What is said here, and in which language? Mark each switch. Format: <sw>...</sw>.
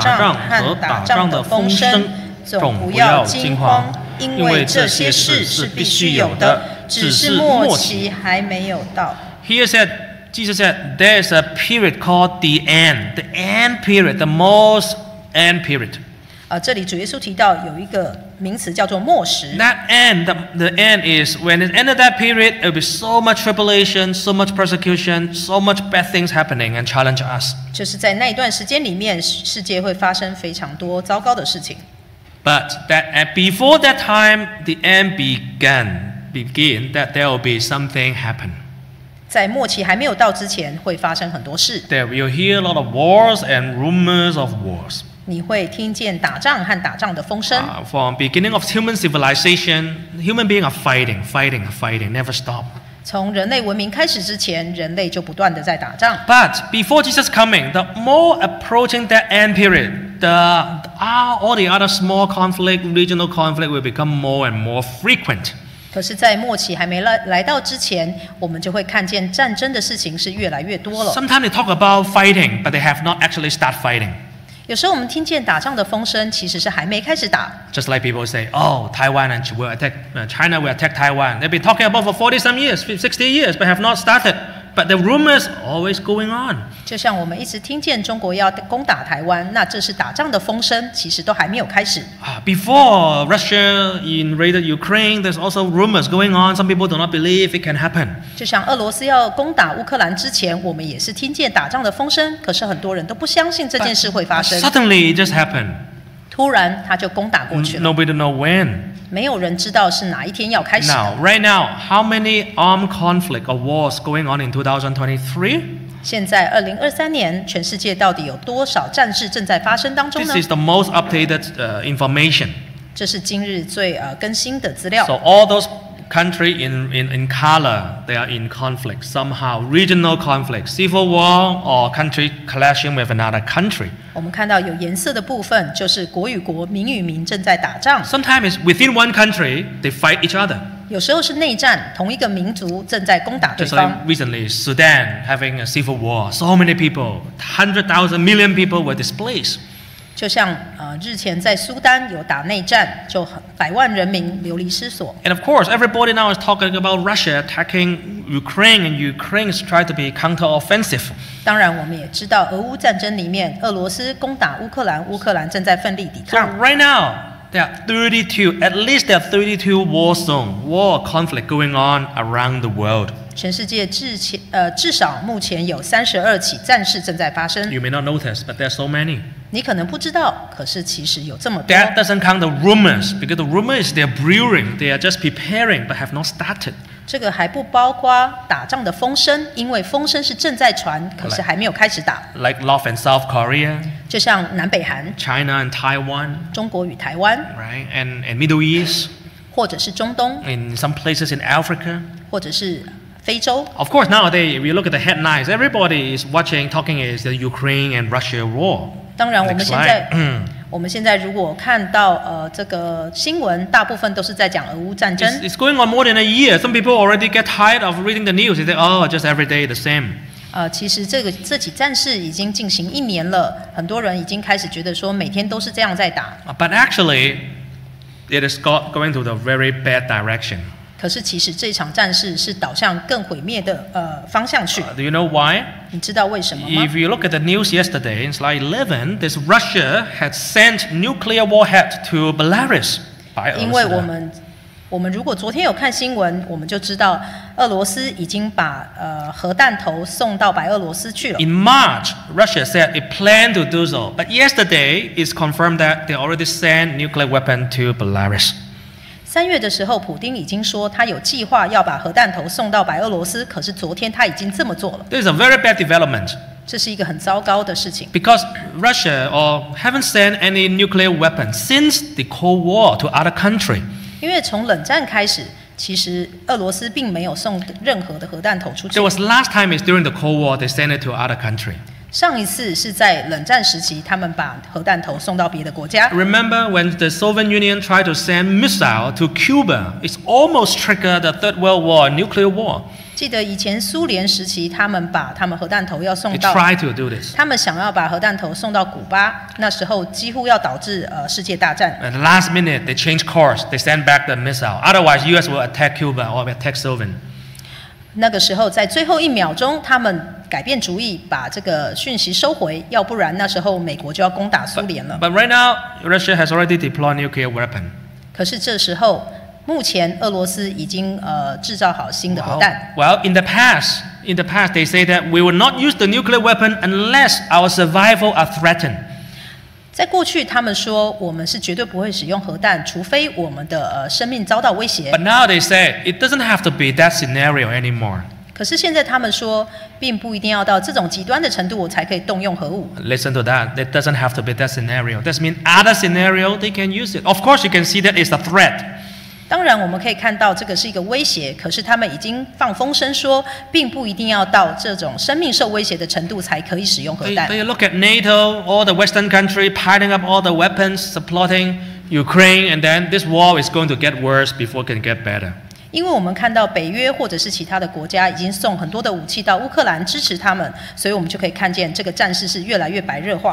<zh>你们也要听见打仗和打仗的风声, 总不要惊慌, 因为这些事是必须有的, 只是末期还没有到.</zh> <en>Here said, Jesus said, there is a period called the end period, the most end period.</en> <zh>这里主耶稣提到有一个名词叫做末时.</zh> <en>That end, the end is, when it ended that period, there will be so much tribulation, so much persecution, so much bad things happening and challenge us.</en> <zh>就是在那一段时间里面, 世界会发生非常多糟糕的事情.</zh> <en>But that, before that time, the end began, that there will be something happen.</en> <zh>在末期还没有到之前会发生很多事.</zh> <en>There, you'll hear a lot of wars and rumors of wars.</en> <zh>你会听见打仗和打仗的风声.</zh> <en>From beginning of human civilization, human beings are fighting, never stop.</en> <zh>从人类文明开始之前, 人类就不断地在打仗.</zh> <en>But before Jesus coming, the more approaching that end period, all the other small conflict, regional conflict will become more and more frequent.</en> <zh>可是，在末期还没来到之前，我们就会看见战争的事情是越来越多了。</zh> <en>Sometimes they talk about fighting, but they have not actually start fighting.</en> <zh>有时候我们听见打仗的风声，其实是还没开始打。</zh> <en>Just like people say, oh, Taiwan and China will attack Taiwan. They've been talking about for 40 some years, 60 years, but have not started. But the rumors always going on.</en> <zh>就像我们一直听见中国要攻打台湾，那这是打仗的风声，其实都还没有开始。</zh> <en>Before Russia invaded Ukraine, there's also rumors going on. Some people do not believe it can happen.</en> <zh>就像俄罗斯要攻打乌克兰之前，我们也是听见打仗的风声，可是很多人都不相信这件事会发生。</zh> <en>But suddenly it just happened.</en> <zh>突然他就攻打过去了。</zh> <en>Nobody know when.</en> <zh>没有人知道是哪一天要开始。</zh> <en>Now, right now, how many armed conflict or wars going on in 2023?</en> <zh>现在2023年，全世界到底有多少战事正在发生当中呢？</zh> <en>This is the most updated information.</en> <zh>这是今日最更新的资料。</zh> <en>So all those countries in color, they are in conflict somehow. Regional conflict, civil war, or country clashing with another country.</en> <zh>我们看到有颜色的部分，就是国与国、民与民正在打仗。</zh> <en>Sometimes within one country, they fight each other.</en> <zh>有时候是内战，同一个民族正在攻打对方。</zh> <en>Just like recently, Sudan having a civil war, so many people, 100,000 million people were displaced.</en> <zh>就像日前在苏丹有打内战，就百万人民流离失所。</zh> <en>And of course, everybody now is talking about Russia attacking Ukraine, and Ukraine is trying to be counteroffensive.</en> <zh>当然，我们也知道俄乌战争里面，俄罗斯攻打乌克兰，乌克兰正在奋力抵抗。</zh> <en>So right now, there are 32 war zone, war conflict going on around the world.</en> <zh>全世界至少目前有32起战事正在发生。</zh> <en>You may not notice, but there are so many.</en> <zh>你可能不知道，可是其实有这么多。</zh> <en>That doesn't count the rumors, because the rumors they're brewing, they are just preparing, but have not started.</en> <zh>这个还不包括打仗的风声，因为风声是正在传，可是还没有开始打。</zh> <en>Like North and South Korea.</en> <zh>就像南北韩。</zh> <en>China and Taiwan.</en> <zh>中国与台湾。</zh> <en>Right, and Middle East.</en> <zh>或者是中东。</zh> <en>In some places in Africa.</en> <zh>或者是非洲。</zh> <en>Of course, nowadays, if you look at the headlines, everybody is watching, talking is the Ukraine and Russia war.</en> <zh>当然，我们现在如果看到这个新闻，大部分都是在讲俄乌战争。</zh> <en>It's going on more than a year. Some people already get tired of reading the news. They say, "Oh, just every day the same."</en> <zh>其实这起战事已经进行一年了，很多人已经开始觉得说每天都是这样在打。</zh> <en>But actually, it is going to the very bad direction.</en> <zh>可是其实这场战事是导向更毁灭的方向去。</zh> <en>Do you know why?</en> <zh>你知道为什么吗?</zh> <en>If you look at the news yesterday, in slide 11, this Russia had sent nuclear warhead to Belarus.</en> <zh>因为我们如果昨天有看新闻，我们就知道俄罗斯已经把核弹头送到白俄罗斯去了。</zh> <en>In March, Russia said it planned to do so, but yesterday it's confirmed that they already sent nuclear weapon to Belarus.</en> <zh>三月的时候，普丁已经说他有计划要把核弹头送到白俄罗斯，可是昨天他已经这么做了。</zh> <en>This is a very bad development.</en> <zh>这是一个很糟糕的事情。</zh> <en>Because Russia or haven't sent any nuclear weapons since the Cold War to other country.</en> <zh>因为从冷战开始，其实俄罗斯并没有送任何的核弹头出去。</zh> <en>There was last time is during the Cold War they sent it to other country.</en> <zh>上一次是在冷战时期，他们把核弹头送到别的国家。</zh> <en>Remember when the Soviet Union tried to send missile to Cuba? It's almost triggered the Third World War, nuclear war.</en> <zh>记得以前苏联时期，他们把他们核弹头要送到。</zh> <en>They tried to do this.</en> <zh>他们想要把核弹头送到古巴，那时候几乎要导致世界大战。</zh> <en>At the last minute, they changed course. They send back the missile. Otherwise, U.S. will attack Cuba or attack Soviet.</en> <zh>那个时候，在最后一秒钟，他们。改变主意，把这个讯息收回，要不然那时候美国就要攻打苏联了。</zh> <en>But right now, Russia has already deployed nuclear weapon.</en> <zh>可是这时候，目前俄罗斯已经制造好新的核弹。</zh> <en>Well, in the past, they say that we will not use the nuclear weapon unless our survival are threatened.</en> <zh>在过去，他们说我们是绝对不会使用核弹，除非我们的生命遭到威胁。</zh> <en>But now they say it doesn't have to be that scenario anymore.</en> <zh>可是现在他们说，并不一定要到这种极端的程度，我才可以动用核武。</zh> <en>Listen to that. It doesn't have to be that scenario. That means other scenario they can use it. Of course, you can see that it's a threat.</en> <zh>当然，我们可以看到这个是一个威胁。可是他们已经放风声说，并不一定要到这种生命受威胁的程度才可以使用核弹。</zh> <en>But you look at NATO, all the Western country piling up all the weapons, supporting Ukraine, and then this war is going to get worse before it can get better.</en> <zh>因为我们看到北约或者是其他的国家已经送很多的武器到乌克兰支持他们，所以我们就可以看见这个战事是越来越白热化。</zh>